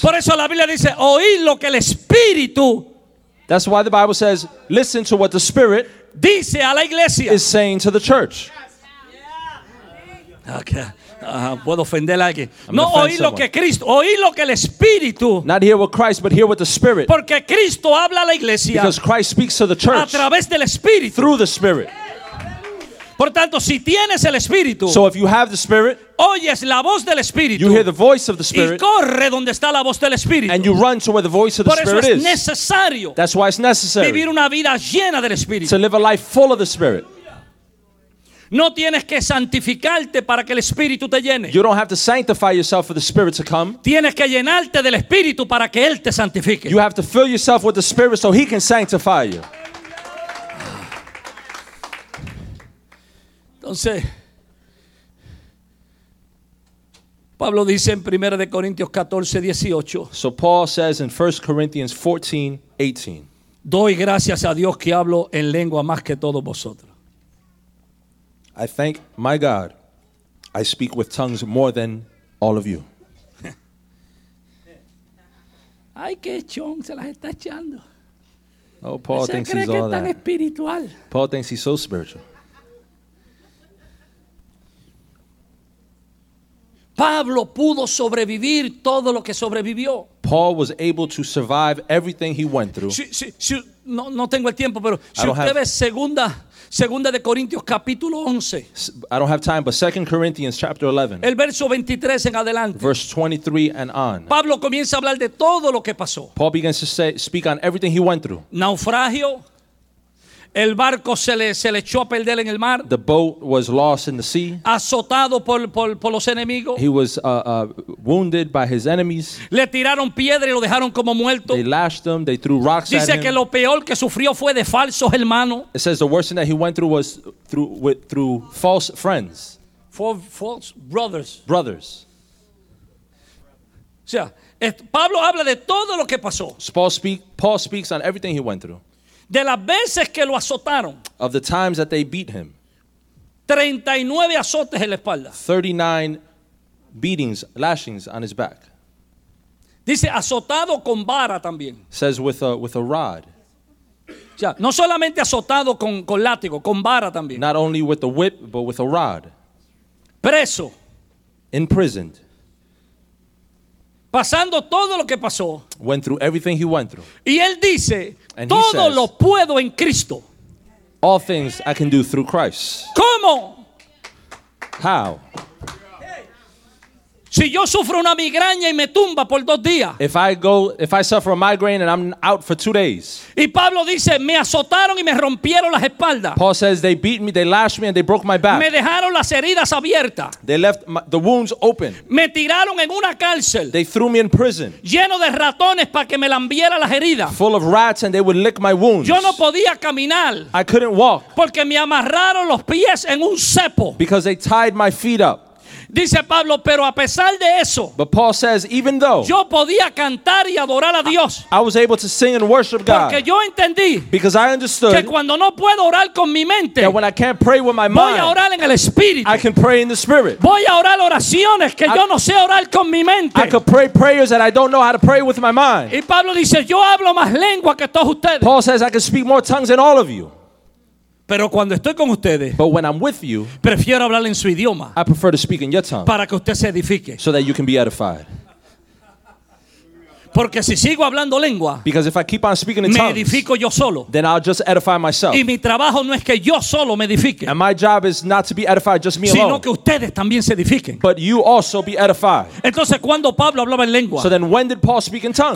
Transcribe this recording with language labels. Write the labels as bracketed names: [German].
[Spanish] Por eso la Biblia dice oír lo que el espíritu, [English] that's why the Bible says listen to what the spirit [Spanish] dice a la iglesia, [English] is saying to the church. [Spanish] Okay. Puedo ofender a alguien. No oír lo que Cristo, oír lo que el Espíritu. [English] Not hear what Christ, but hear what the Spirit. [Spanish] Porque Cristo habla a la iglesia. [English] Because Christ speaks to the church. [Spanish] A través del Espíritu. [English] Through the Spirit. [Spanish] Por tanto, si tienes el Espíritu, [English] so if you have the Spirit, [Spanish] oyes la voz del Espíritu, [English] you hear the voice of the Spirit, [Spanish] y corre donde está la voz del Espíritu, [English] and you run to where the voice of the Spirit is. [Spanish] Por eso es necesario. [English] That's why it's necessary. [Spanish] Vivir una vida llena del Espíritu. [English] To live a life full of the Spirit. [Spanish] No tienes que santificarte para que el Espíritu te llene. [English] You don't have to sanctify yourself for the Spirit to come. [Spanish] Tienes que llenarte del Espíritu para que Él te santifique. [English] You have to fill yourself with the Spirit so He can sanctify you. [Spanish] Entonces, Pablo dice en 1 de Corintios 14, 18. [English] So Paul says in 1 Corinthians 14, 18. [Spanish] Doy gracias a Dios que hablo en lengua más que todos vosotros. [English] I thank my God, I speak with tongues more than all of you. [Spanish] Ay, qué chon, se las está echando. [English] Oh, Paul thinks he's all that. [Spanish] Espiritual. [English] Paul thinks he's so spiritual. [Spanish] Pablo pudo sobrevivir todo lo que sobrevivió. [English] Paul was able to survive everything he went through. [Spanish] No tengo el tiempo, pero si usted ve Segunda de Corintios capítulo 11. [English] I don't have time, but 2 Corinthians chapter 11. [Spanish] El verso 23 en adelante. [English] Verse 23 and on. [Spanish] Pablo comienza a hablar de todo lo que pasó. [English] Paul begins to speak on everything he went through. [Spanish] Naufragio. El barco se le echó a perder en el mar. [English] The boat was lost in the sea. [Spanish] Azotado por los enemigos. [English] He was wounded by his enemies. [Spanish] Le tiraron piedra y lo dejaron como muerto. [English] They lashed him, they threw rocks [Spanish] dice [English] at him. [Spanish] Dice que lo peor que sufrió fue de falsos hermanos. [English] It says the worst thing that he went through was through false friends. For false brothers. Brothers. [Spanish] O sea, Pablo habla de todo lo que pasó. [English] Paul speaks on everything he went through. [Spanish] De las veces que lo azotaron. [English] Of the times that they beat him. [Spanish] 39 azotes en la espalda. [English] 39 beatings, lashings on his back. [Spanish] Dice azotado con vara también. [English] Says with a rod. [Spanish] Ya, no solamente azotado con látigo, con vara también. [English] Not only with the whip, but with a rod. [Spanish] Preso. [English] Imprisoned. [Spanish] Pasando todo lo que pasó. [English] Went through everything he went through. [Spanish] Y él dice, todo lo puedo en Cristo. [English] All things I can do through Christ. [Spanish] ¿Cómo? [English] How? [Spanish] Si yo sufro una migraña y me tumba por dos días. [English] If I suffer a migraine and I'm out for 2 days. [Spanish] Y Pablo dice, me azotaron y me rompieron las espaldas. [English] Paul says they beat me, they lashed me and they broke my back. [Spanish] Me dejaron las heridas abiertas. [English] They left the wounds open. [Spanish] Me tiraron en una cárcel. [English] They threw me in prison. [Spanish] Lleno de ratones para que me lambiera las heridas. [English] Full of rats and they would lick my wounds. [Spanish] Yo no podía caminar. [English] I couldn't walk. [Spanish] Porque me amarraron los pies en un cepo. [English] Because they tied my feet up. [Spanish] Dice Pablo, pero a pesar de eso, [English] but Paul says, even though [Spanish] yo podía cantar y adorar a Dios, [English] I was able to sing and worship God. [Spanish] Porque yo entendí, [English] because I understood [Spanish] que cuando no puedo orar con mi mente, [English] that when I can't pray with my mind, [Spanish] voy a orar en el Espíritu. [English] I can pray in the Spirit. [Spanish] Voy a orar oraciones que yo no sé orar con mi mente. [English] I could pray prayers that I don't know how to pray with my mind. [Spanish] Y Pablo dice, yo hablo más lengua que todos ustedes. [English] Paul says, I can speak more tongues than all of you. [Spanish] Pero cuando estoy con ustedes, [English] but when I'm with you, [Spanish] prefiero hablar en su idioma, [English] I prefer to speak in your tongue, [Spanish] para que usted se edifique, [English] so that you can be edified. [Spanish] Porque si sigo hablando lengua, [English] because if I keep on speaking in [Spanish] me [English] tongues, [Spanish] edifico yo solo, [English] then I'll just edify myself. [Spanish] Y mi trabajo no es que yo solo me edifique, [English] and my job is not to be edified just me [Spanish] sino [English] alone, [Spanish] que ustedes también se edifiquen, [English] but you also be edified. [Spanish] Entonces, cuando Pablo hablaba en lengua, [English] so then when did Paul speak in tongues?